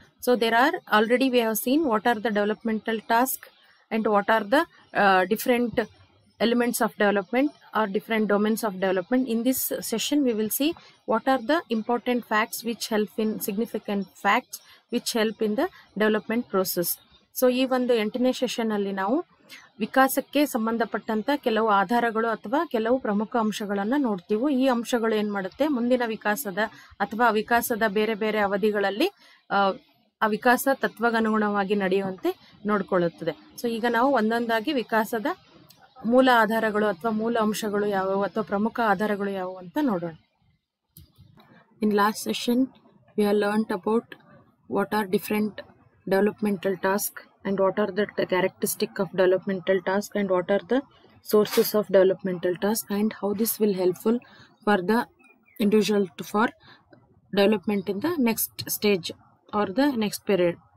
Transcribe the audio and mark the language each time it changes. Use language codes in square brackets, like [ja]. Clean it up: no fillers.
[en] So there are already we have seen what are the developmental tasks and what are the different elements of development or different domains of development. In this session we will see what are the important facts which help in significant facts which help in the development process. So even the entire session [kn] alli now ವಿಕಾಸಕ್ಕೆ ಸಂಬಂಧಪಟ್ಟಂತ ಕೆಲವು ಆಧಾರಗಳು ಅಥವಾ ಕೆಲವು ಪ್ರಮುಖ ಅಂಶಗಳನ್ನು ನೋಡ್ತೀವಿ. ಈ ಅಂಶಗಳು ಏನ್ ಮಾಡುತ್ತೆ ಮುಂದಿನ ವಿಕಾಸದ ಅಥವಾ ವಿಕಾಸದ ಬೇರೆ ಬೇರೆ ಅವಧಿಗಳಲ್ಲಿ ಆ ವಿಕಾಸ ತತ್ವಗನುಗುಣವಾಗಿ ನಡೆಯುವಂತೆ ನೋಡ್ಕೊಳ್ಳುತ್ತದೆ. ಸೊ ಈಗ ನಾವು ಒಂದೊಂದಾಗಿ ವಿಕಾಸದ ಮೂಲ ಆಧಾರಗಳು ಅಥವಾ ಮೂಲ ಅಂಶಗಳು ಯಾವುವು ಅಥವಾ ಪ್ರಮುಖ ಆಧಾರಗಳು ಯಾವುವು ಅಂತ ನೋಡೋಣ. [en] In last session we are learned about what are different developmental task and what are the characteristic of developmental task and what are the sources of developmental task and how this will helpful for the individual to for development in the next stage or the next period.